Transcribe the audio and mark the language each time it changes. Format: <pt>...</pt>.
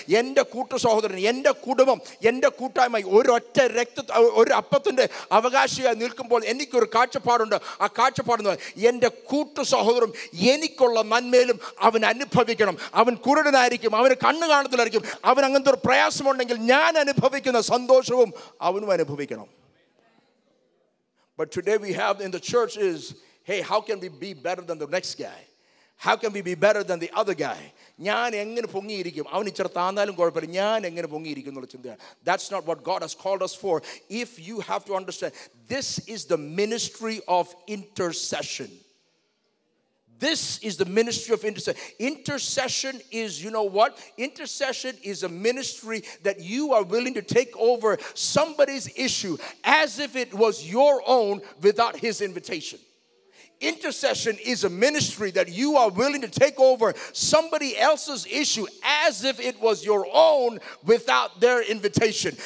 <ml>എൻ്റെ കൂട്ടു സഹോദരൻ, എൻ്റെ കുടുംബം, എൻ്റെ കൂട്ടായ്മ, ഒരൊറ്റ രക്ത ഒരു അപ്പത്തിൻ്റെ അവകാശിയായി നിൽക്കുമ്പോൾ എനിക്ക് ഒരു കാഴ്ചപ്പാടുണ്ട്. ആ കാഴ്ചപ്പാടുന്ന എൻ്റെ കൂട്ടു സഹോദരം എനിക്കുള്ള നന്മയിലും അവൻ അനുഭവിക്കണം. അവൻ കുരുടനായിരിക്കും, അവന് കണ്ണു കാണത്തില്ലായിരിക്കും, അവൻ അങ്ങനത്തെ ഒരു പ്രയാസമുണ്ടെങ്കിൽ ഞാൻ അനുഭവിക്കുന്ന സന്തോഷവും അവനും അനുഭവിക്കണം.</ml> <en>But today we have in the church is, hey, how can we be better than the next guy? How can we be better than the other guy?</en> <ml>ഞാൻ എങ്ങനെ പൊങ്ങിയിരിക്കും? അവൻ ഇച്ചിരി താന്നാലും കുഴപ്പമില്ല, ഞാൻ എങ്ങനെ പൊങ്ങിയിരിക്കും എന്നുള്ള ചിന്തയാണ്.</ml> <en>That's not what God has called us for. If you have to understand, this is the ministry of intercession. This is the ministry of intercession. Intercession is, you know what? Intercession is a ministry that you are willing to take over somebody's issue as if it was your own without his invitation. Intercession is a ministry that you are willing to take over somebody else's issue as if it was your own without their invitation.</en>